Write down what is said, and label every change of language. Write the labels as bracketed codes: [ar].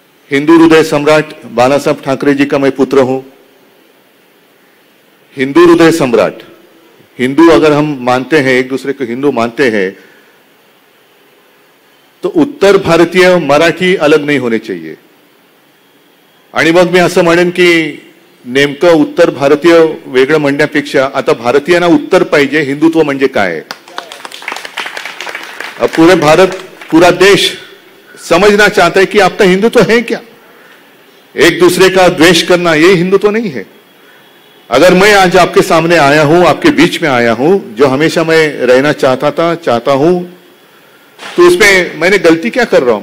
[hi] हिंदू हृदय सम्राट बालासाहेब ठाकरे जी का मैं पुत्र हूं, हिंदू हृदय सम्राट। हिंदू अगर हम मानते हैं, एक दूसरे को हिंदू मानते हैं, तो उत्तर भारतीय मराठी अलग नहीं होने चाहिए। [mr] आणि मग मी असं म्हणेन की नेमकं उत्तर भारतीय वेगळं म्हणण्यापेक्षा आता भारतीयांना उत्तर पाहिजे, हिंदुत्व म्हणजे काय। [hi] पूरे भारत, पूरा देश समजना चाहता है कि आपका हिंदुत्व है क्या। एक दूसरे का द्वेष करना ये हिंदुत्व नहीं है। अगर मैं आज आपके सामने आया हूं, आपके बीच में आया हूं, जो हमेशा मैं रहना चाहता हूं, तो उसमें मैंने गलती क्या कर रहा हूं?